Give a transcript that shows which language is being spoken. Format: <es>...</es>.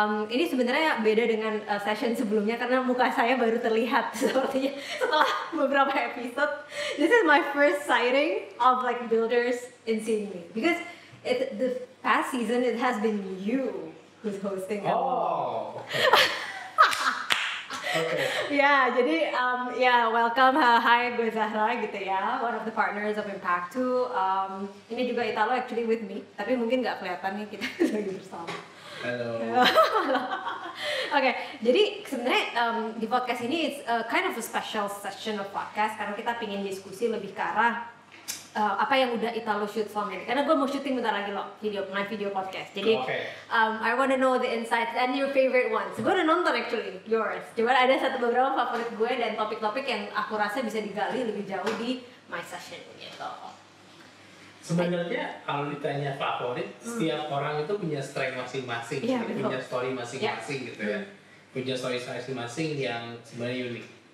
<id>Ini sebenarnya beda dengan session sebelumnya karena muka saya baru terlihat sepertinya setelah beberapa episode.</id> <en>This is my first sighting of like builders in Sydney, because it, the past season it has been you who's hosting. Oh. Okay. Yeah,</en> <id>jadi</id> <en>yeah, welcome. Hi,</en> <id>gue Zahra gitu ya,</id> <en>one of the partners of Impact 2.</en> <id>Ini juga Italo</id> <en>actually with me,</en> <id>tapi mungkin nggak kelihatan nih kita lagi bersama.</id> <en>Hello.</en> <id>Okay, jadi sebenarnya di podcast ini</id> <en>it's a kind of a special session of podcast</en> <id>karena kita pingin diskusi lebih ke arah apa yang udah Italo shoot selama ini. Karena gue mau shooting bentar lagi loh video</id> <en>my video podcast.</en> <id>Jadi okay.</id> <en>I wanna know the insights and your favorite ones.</en> <id>Gue udah nonton</id> <en>actually yours.</en> <id>Cuma ada satu beberapa favorit gue dan topik-topik yang aku rasa bisa digali lebih jauh di</id> <en>my session</en> <id>gitu. Sebenarnya kalau ditanya favorit, setiap orang itu punya strength masing-masing, yeah, punya story masing-masing, yeah, gitu ya. Punya story masing-masing yang sebenarnya unik.</id>